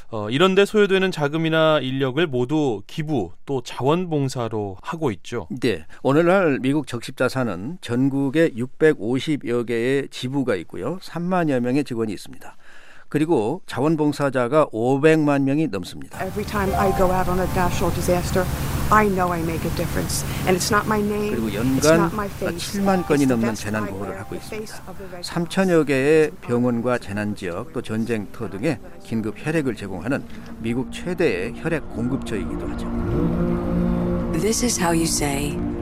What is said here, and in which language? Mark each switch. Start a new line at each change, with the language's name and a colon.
Korean: 이런 데 소요되는 자금이나 인력을 모두 기부 또 자원봉사로 하고 있죠. 네. 오늘날 미국 적십자사는 전국에 650여 개의 지부가 있고요. 3만여 명의 직원이 있습니다. 그리고 자원봉사자가 500만 명이 넘습니다.
English: Every time I go out on a natural disaster, I know I make a difference. And it's not my name.
Korean: 그리고 연간 7만 건이 넘는 재난 구호를 하고 있습니다. 3천여 개의 병원과 재난 지역, 또 전쟁터 등에 긴급 혈액을 제공하는 미국 최대의 혈액 공급처이기도 하죠.
English: This is how you say